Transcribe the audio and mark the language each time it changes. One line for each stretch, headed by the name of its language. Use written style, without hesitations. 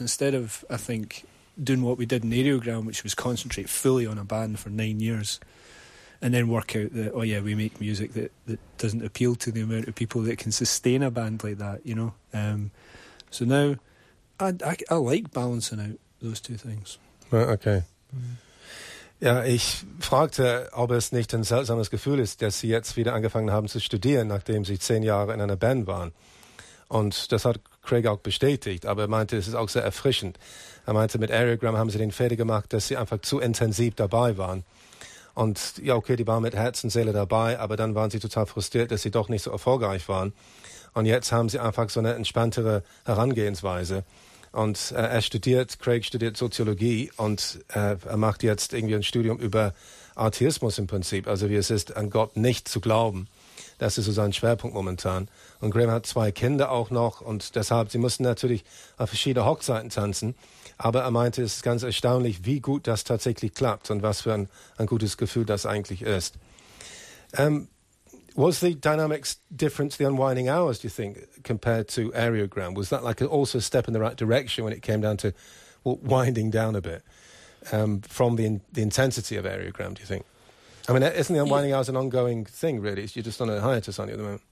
English: Instead of, I think, doing what we did in Aerogram, which was concentrate fully on a band for 9 years and then work out that, oh, yeah, we make music that doesn't appeal to the amount of people that can sustain a band like that, you know? So now I like balancing out those two things. Okay.
German: Ja, ich fragte, ob es nicht ein seltsames Gefühl ist, dass Sie jetzt wieder angefangen haben zu studieren, nachdem Sie 10 Jahre in einer Band waren. Und das hat Craig auch bestätigt, aber er meinte, es ist auch sehr erfrischend. Er meinte, mit Aerogram haben Sie den Fehler gemacht, dass Sie einfach zu intensiv dabei waren. Und ja, okay, die waren mit Herz und Seele dabei, aber dann waren Sie total frustriert, dass Sie doch nicht so erfolgreich waren. Und jetzt haben Sie einfach so eine entspanntere Herangehensweise. Und Craig studiert Soziologie und er macht jetzt irgendwie ein Studium über Atheismus im Prinzip, also wie es ist, an Gott nicht zu glauben. Das ist so sein Schwerpunkt momentan. Und Graham hat 2 Kinder auch noch und deshalb, sie mussten natürlich auf verschiedene Hochzeiten tanzen, aber er meinte, es ist ganz erstaunlich, wie gut das tatsächlich klappt und was für ein gutes Gefühl das eigentlich ist.
English: Was the dynamics different to the unwinding hours, do you think, compared to Aerogram? Was that like also a step in the right direction when it came down to winding down a bit from the intensity of Aerogram, do you think? I mean, isn't the unwinding hours an ongoing thing, really? You're just on a hiatus, aren't you, at the moment?